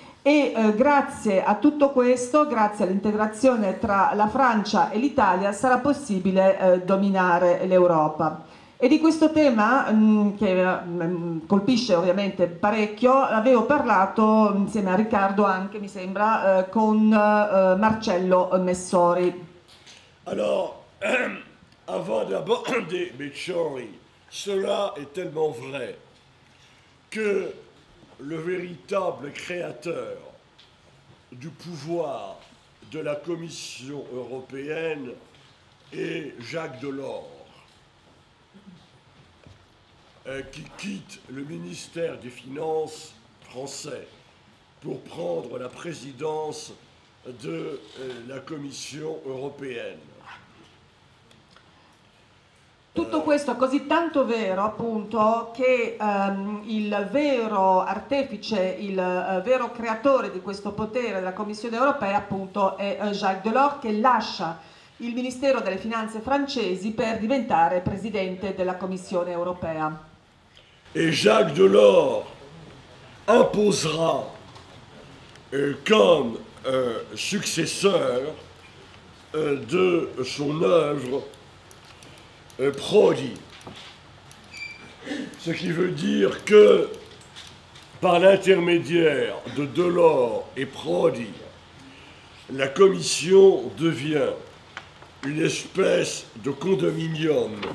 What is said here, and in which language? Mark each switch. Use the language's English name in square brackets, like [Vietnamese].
[Italian] E grazie a tutto questo, grazie all'integrazione tra la Francia e l'Italia, sarà possibile dominare l'Europa. E di questo tema, che colpisce ovviamente parecchio, avevo parlato insieme a Riccardo anche, mi sembra, con Marcello Messori. [French] Allora, avant d'abord, Messori, cela est tellement vrai que le véritable créateur du pouvoir de la Commission européenne est Jacques Delors, qui quitte le ministère des Finances français pour prendre la présidence de la Commission européenne. [Italian] Tutto questo è così tanto vero, appunto, che il vero artefice, il vero creatore di questo potere della Commissione europea, appunto, è Jacques Delors, che lascia il Ministero delle Finanze francesi per diventare presidente della Commissione europea. [French] E Jacques Delors [Italian] imposerà come [French] successeur de son œuvre Prodi, ce qui veut dire que par l'intermédiaire de Delors et Prodi, la Commission devient une espèce de condominium